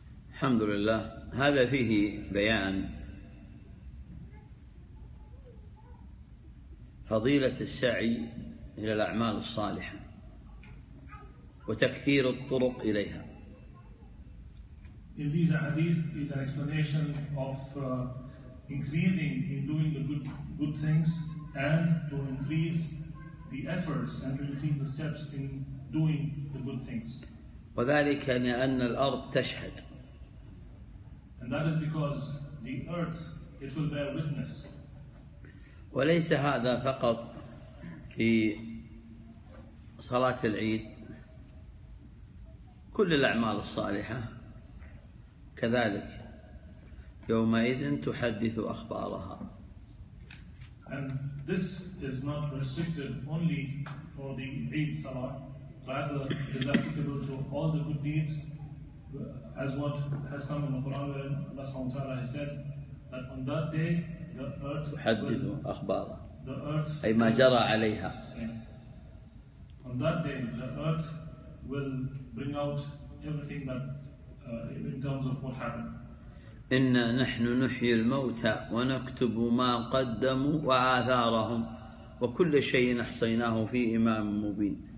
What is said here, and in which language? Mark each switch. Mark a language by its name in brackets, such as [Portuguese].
[Arabic] الحمد لله. هذا فيه بيان فضيلة السعي إلى الأعمال الصالحة وتكثير الطرق إليها. [English] In these hadith is an explanation of increasing in doing the good things and to increase the efforts and to increase the steps in doing the good things. [Arabic] وذلك لأن الأرض تشهد. [English] And that is because the earth, it will bear witness. [Arabic] وليس هذا فقط في صلاة العيد. كل الأعمال الصالحة كذلك. يومئذ تحدث أخبارها. [English] And this is not restricted only for the Eid Salah, rather is applicable to all the good deeds, as what has come in the Quran, where Allah Subhanahu wa Taala has said that on that day the earth [Arabic] تحدث أخبارها. [English] The earth [Arabic] أي ما جرى عليها. Yeah. On that day the earth will bring out everything that in terms of what happened. إنا نحن نحيي الموتى ونكتب ما قدموا وآثارهم وكل شيء أحصيناه في إمام مبين.